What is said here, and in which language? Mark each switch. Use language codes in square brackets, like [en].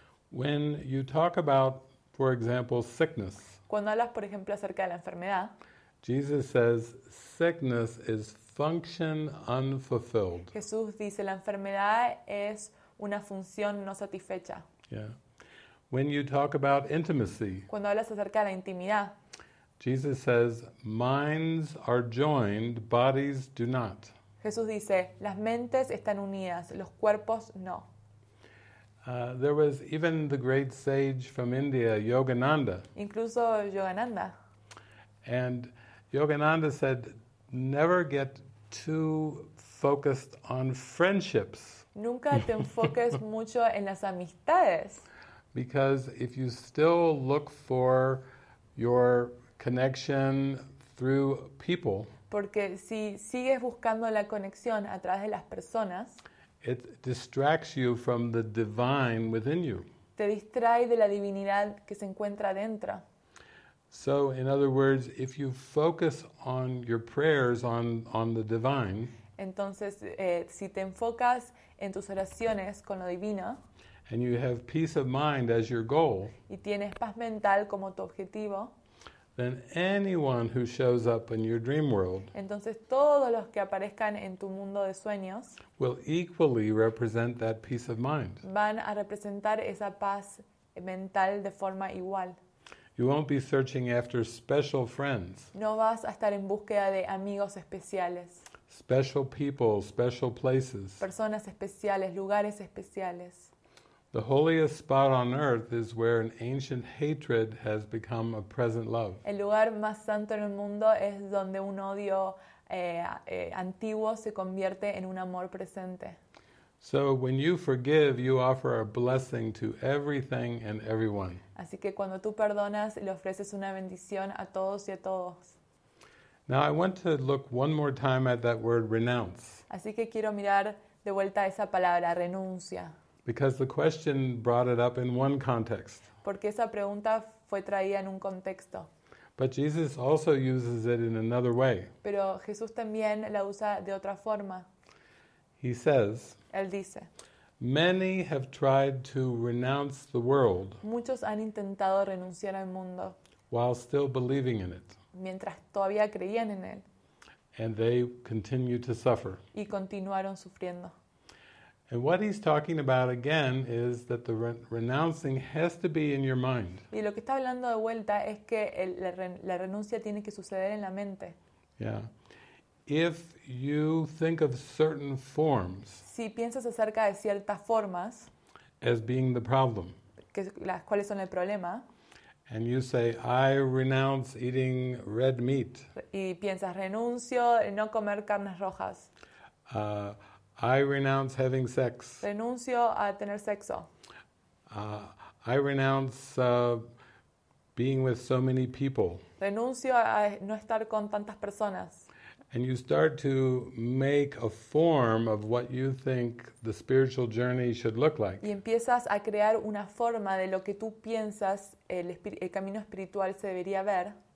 [en] When you talk about, for example, sickness. [es] Cuando hablas, por ejemplo, acerca de la enfermedad, [en] Jesus says, sickness is function unfulfilled. [es] Jesús dice, la enfermedad es una función no satisfecha. [en] Yeah. When you talk about intimacy, [es] cuando hablas acerca de la intimidad, [en] Jesus says, minds are joined, bodies do not. [es] Jesús dice, las mentes están unidas, los cuerpos no. [en] There was even the great sage from India, Yogananda. [es] Incluso Yogananda. [en] And Yogananda said, never get too focused on friendships. [es] Nunca te enfoques mucho en las amistades. [en] Because if you still look for your connection through people, [es] porque si sigues buscando la conexión a través de las personas, [en] it distracts you from the divine within you. [es] Te distrae de la divinidad que se encuentra dentro. [en] So, in other words, if you focus on your prayers on the divine, [es] entonces, si te enfocas en tus oraciones con lo divino, [en] and you have peace of mind as your goal, [es] y tienes paz mental como tu objetivo, [en] then anyone who shows up in your dream world, [es] entonces todos los que aparezcan en tu mundo de sueños, [en] will equally represent that peace of mind. [es] Van a representar esa paz mental de forma igual. [en] You won't be searching after special friends. [es] No vas a estar en búsqueda de amigos especiales. [en] Special people, special places. [es] Personas especiales, lugares especiales. [en] The holiest spot on earth is where an ancient hatred has become a present love. [es] El lugar más santo en el mundo es donde un odio antiguo se convierte en un amor presente. [en] So when you forgive, you offer a blessing to everything and everyone. [es] Así que cuando tú perdonas, le ofreces una bendición a todos y a todos. [en] Now I want to look one more time at that word renounce. [es] Así que quiero mirar de vuelta esa palabra renuncia. [en] Because the question brought it up in one context. [es] Porque esa pregunta fue traída en un contexto. [en] But Jesus also uses it in another way. [es] Pero Jesús también la usa de otra forma. [en] He says, [es] él dice, [en] many have tried to renounce the world, [es] muchos han intentado renunciar al mundo, [en] while still believing in it, [es] mientras todavía creían en él, [en] and they continue to suffer, [es] y continuaron sufriendo. [en] And what he's talking about again is that the renouncing has to be in your mind. [es] Y lo que está hablando de vuelta es que la renuncia tiene que suceder en la mente. [en] Yeah. If you think of certain forms, [es] si piensas acerca de ciertas formas, [en] as being the problem, [es] las cuales son el problema, [en] And you say, I renounce eating red meat. [es] Y piensas, renuncio a no comer carnes rojas. [en] I renounce having sex. [es] Renuncio a tener sexo. [en] I renounce being with so many people. [es] Renuncio a no estar con tantas personas. [en] And you start to make a form of what you think the spiritual journey should look like. [es] Y empiezas a crear una forma de lo que tú piensas el camino espiritual se debería ver.